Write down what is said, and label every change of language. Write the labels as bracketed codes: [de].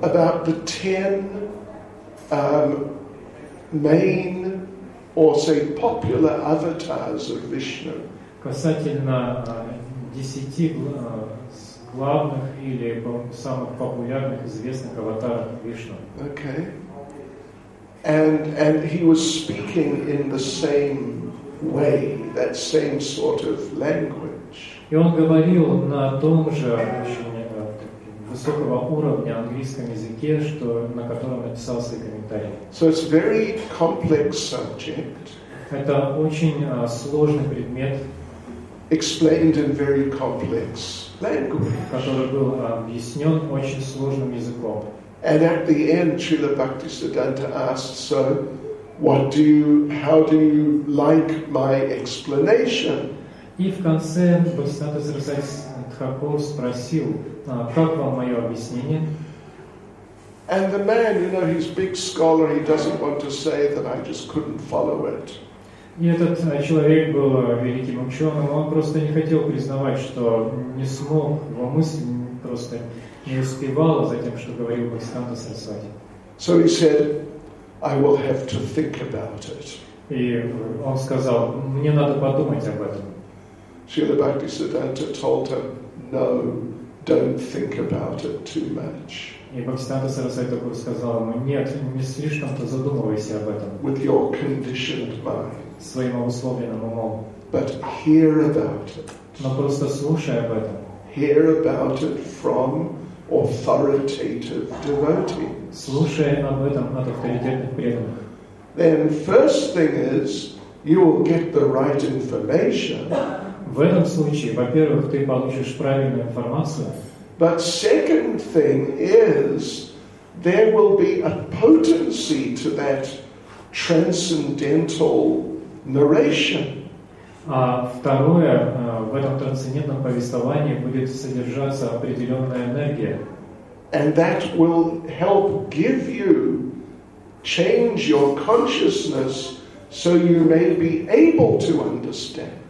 [en] About the 10 main or say popular avatars of Vishnu. [ru] Касательно 10 главных или самых популярных известных аватаров Вишну. [en] Okay. And he was speaking in the same way, that same sort of language. [ru] И он говорил на том же очень высокого уровня английском языке, что, на котором написал свои комментарии. [en] So it's very complex subject. [ru] Это очень сложный предмет. [en] Explained in very complex language. [ru] Который был объяснен очень сложным языком. [en] And at the end, Srila Bhaktisiddhanta asked, so, what do you, how do you like my explanation? [ru] И в конце Бхактисиддханта Сарасвати Тхакур спросил, как вам мое объяснение? [en] And the man, you know, he's a big scholar, he doesn't want to say that I just couldn't follow it. [ru] И этот человек был великим ученым, он просто не хотел признавать, что не смог, его мысль просто не успевала за тем, что говорил Бхактисиддханта Сарасвати. [en] So he said, I will have to think about it. [ru] И он сказал, мне надо подумать об этом. [en] Srila Bhaktisiddhanta told him, no, don't think about it too much. [ru] И Бхактисиддханта Сарасвати Тхакура сказал ему, нет, не слишком-то задумывайся об этом. [en] With your conditioned mind. [ru] Своим обусловленным умом. [en] But hear about it. [ru] Но просто слушай об этом. [en] Hear about it from authoritative devotees. [ru] Слушай об этом от авторитетных преданных. [en] Then first thing is, you will get the right information. [ru] В этом случае, во-первых, ты получишь правильную информацию. [en] But second thing is, there will be a potency to that transcendental narration. [ru] А второе, в этом трансцендентном повествовании будет содержаться определенная энергия. [en] And that will help give you change your consciousness so you may be able to understand.